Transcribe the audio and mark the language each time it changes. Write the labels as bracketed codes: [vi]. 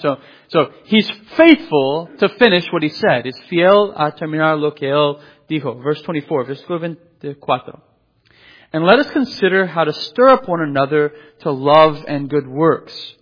[en] So he's faithful to finish what he said. [es] Es fiel a terminar lo que él dijo. Versículo 24. [en] And let us consider how to stir up one another to love and good works.